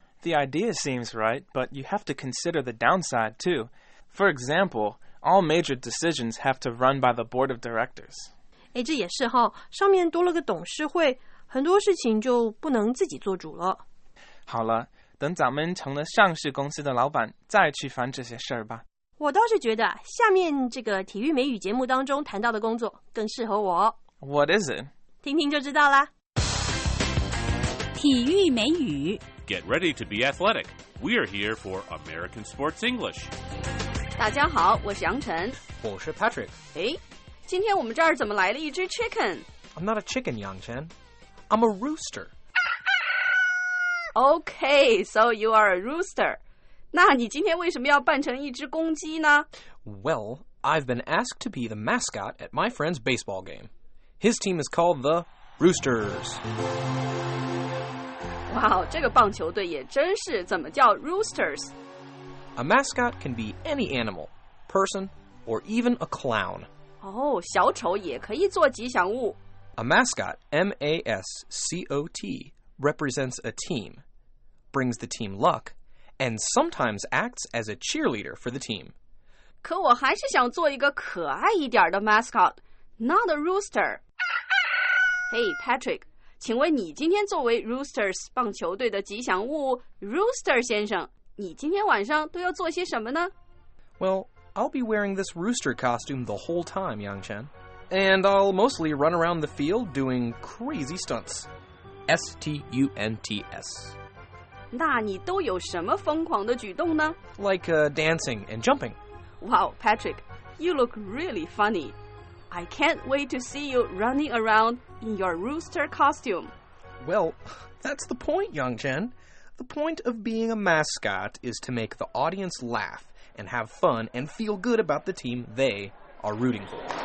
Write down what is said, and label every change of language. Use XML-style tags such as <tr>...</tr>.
<en>The idea seems right, but you have to consider the downside too. For example, all major decisions have to run by the board of directors.</en> <zh>哎，这也是哈，上面多了个董事会，很多事情就不能自己做主了。好了。等咱们成了上市公司的老板再去烦这些事儿吧我倒是觉得下面这个体育美语节目当中谈到的工作更适合我</zh> <en>What is it?</en> <zh>听听就知道啦体育美语</zh> <en>Get ready to be athletic We are here for American Sports English</en> <zh>大家好我是杨晨我是 Patrick 诶今天我们这儿怎么来了一只 chicken?</zh> <en>I'm not a chicken 杨晨 I'm a rooster Okay, so you are a rooster.</en> <zh>那你今天为什么要扮成一只公鸡呢</zh> <en>Well, I've been asked to be the mascot at my friend's baseball game. His team is called the Roosters.</en> <zh>Wow, 这个棒球队也真是怎么叫 Roosters?</zh> <en>A mascot can be any animal, person, or even a clown.</en> <zh>Oh, 小丑也可以做吉祥物。</zh> <en>A mascot, M-A-S-C-O-T,represents a team, brings the team luck, and sometimes acts as a cheerleader for the team.</en> <zh>可我还是想做一个可爱一点的 mascot,</zh> <en>not a rooster.</en> <zh>Hey, Patrick, 请问你今天作为 Roosters 棒球队的吉祥物 Rooster 先生，你今天晚上都要做些什么呢？</zh> <en>Well, I'll be wearing this rooster costume the whole time, Yangchen. And I'll mostly run around the field doing crazy stunts. S-T-U-N-T-S</en> <zh>那你都有什么疯狂的举动呢</zh> <en>Like dancing and jumping Wow, Patrick, you look really funny I can't wait to see you running around in your rooster costume Well, that's the point, Yangchen The point of being a mascot is to make the audience laugh and have fun and feel good about the team they are rooting for</en>